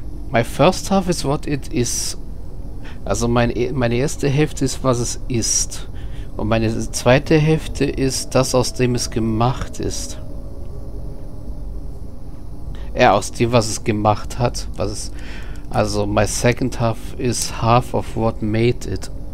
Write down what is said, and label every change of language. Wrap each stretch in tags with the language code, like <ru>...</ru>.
<en>My first half is what it is.</en> <de>Also meine erste Hälfte ist, was es ist. Und meine zweite Hälfte ist das, aus dem es gemacht ist. Aus dem, was es gemacht hat. Was es, also</de> <en>my second half is half of what made it.</en>